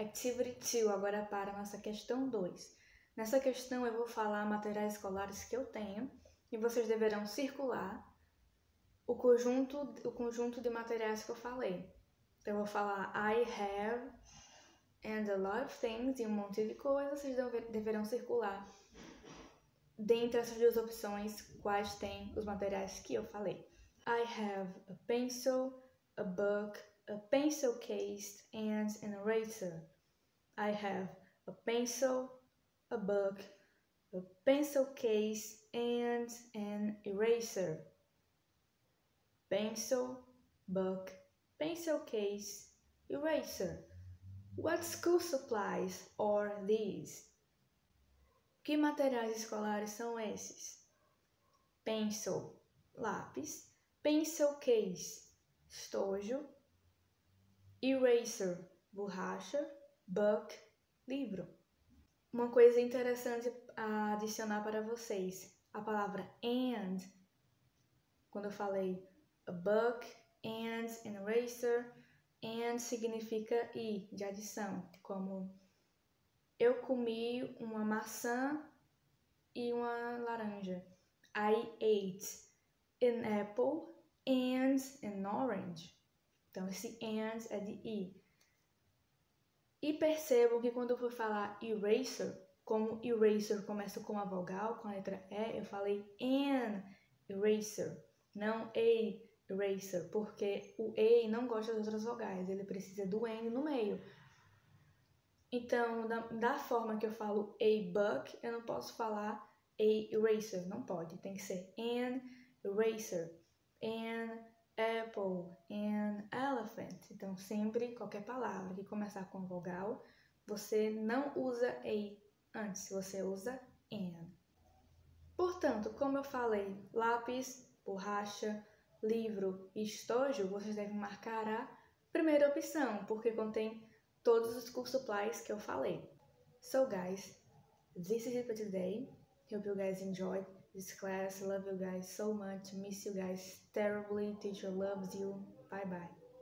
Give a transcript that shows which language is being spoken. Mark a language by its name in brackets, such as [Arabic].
[English] Activity 2, [Portuguese] agora para a nossa questão 2. Nessa questão eu vou falar materiais escolares que eu tenho e vocês deverão circular o conjunto de materiais que eu falei. Então, eu vou falar [English] I have... And a lot of things, [Portuguese] e um monte de coisas, vocês deverão circular dentre essas duas opções quais têm os materiais que eu falei. [English] I have a pencil, a book, a pencil case, and an eraser. I have a pencil, a book, a pencil case, and an eraser. Pencil, book, pencil case, eraser. What school supplies are these? [Portuguese] Que materiais escolares são esses? Pencil, lápis. Pencil case, estojo. Eraser, borracha. Book, livro. Uma coisa interessante a adicionar para vocês. A palavra and. Quando eu falei [English] a book, and, an eraser... [Portuguese] And significa e, de adição, como eu comi uma maçã e uma laranja. [English] I ate an apple and an orange. [Portuguese] Então, esse and é de e. E percebam que quando eu for falar eraser, como eraser começa com a vogal, com a letra E, eu falei an eraser, não a eraser, porque o E não gosta das outras vogais, ele precisa do N no meio. Então, da forma que eu falo a book, eu não posso falar a eraser, não pode. Tem que ser [English] an eraser, an apple, an elephant. [Portuguese] Então, sempre, qualquer palavra que começar com vogal, você não usa a antes, você usa an. Portanto, como eu falei, lápis, borracha, livro e estojo, vocês devem marcar a primeira opção, porque contém todos os school supplies que eu falei. [English] So guys, this is it for today. Hope you guys enjoyed this class. Love you guys so much. Miss you guys terribly. Teacher loves you. Bye bye.